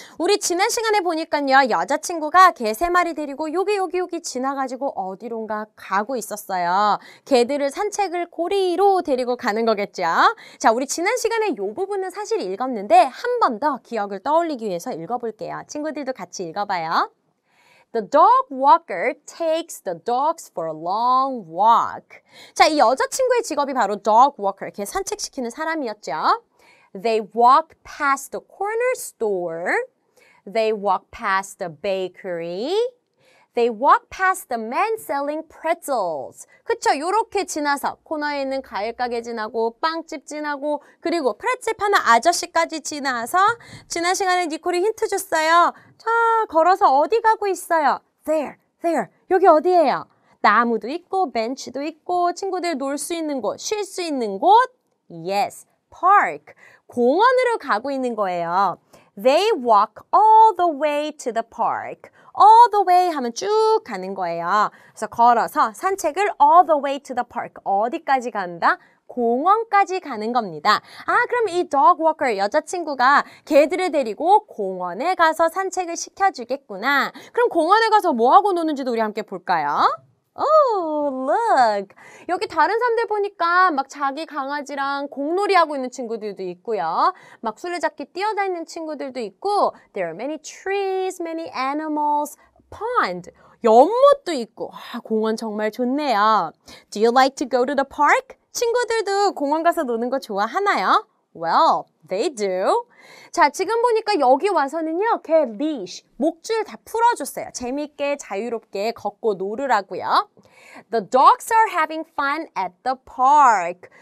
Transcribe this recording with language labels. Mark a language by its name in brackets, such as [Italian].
[Korean] 우리 지난 시간에 보니까요. 여자친구가 개 세 마리 데리고 여기 지나가지고 어디론가 가고 있었어요. 개들을 산책을 고리로 데리고 가는 거겠죠. 자, 우리 지난 시간에 요 부분은 사실 읽었는데 한 번 더 기억을 떠올리기 위해서 읽어볼게요. 친구들도 같이 읽어봐요. [English] The dog walker takes the dogs for a long walk. [Korean] 자, 이 여자친구의 직업이 바로 dog walker. 이렇게 산책시키는 사람이었죠. [English] They walk past the corner store. They walk past the bakery. They walk past the man selling pretzels. [Korean] 그쵸, 요렇게 지나서 코너에 있는 과일 가게 지나고 빵집 지나고 그리고 프레츠 파는 아저씨까지 지나서 지난 시간에 니콜이 힌트 줬어요. 자, 걸어서 어디 가고 있어요? [English] There, there. [Korean] 여기 어디예요? 나무도 있고 벤치도 있고 친구들 놀 수 있는 곳, 쉴 수 있는 곳. [English] Yes, park. [Korean] 공원으로 가고 있는 거예요. [English] They walk all the way to the park. [Korean] All the way 하면 쭉 가는 거예요. 그래서 걸어서 산책을 [English] all the way to the park. [Korean] 어디까지 간다? 공원까지 가는 겁니다. 아, 그럼 이 dog walker, 여자친구가 개들을 데리고 공원에 가서 산책을 시켜주겠구나. 그럼 공원에 가서 뭐하고 노는지도 우리 함께 볼까요? [English] Oh, look. [Korean] 여기 다른 사람들 보니까 막 자기 강아지랑 공놀이 하고 있는 친구들도 있고요. 막 술래잡기 뛰어다니는 친구들도 있고. [English] There are many trees, many animals, pond. [Korean] 연못도 있고. 아, 공원 정말 좋네요. [English] Do you like to go to the park? [Korean] 친구들도 공원 가서 노는 거 좋아하나요? [English] Well, they do. [Korean] 자, 지금 보니까 여기 와서는요. 개 leash, 목줄 다 풀어줬어요. 재밌게 자유롭게 걷고 놀으라고요. [English] The dogs are having fun at the park.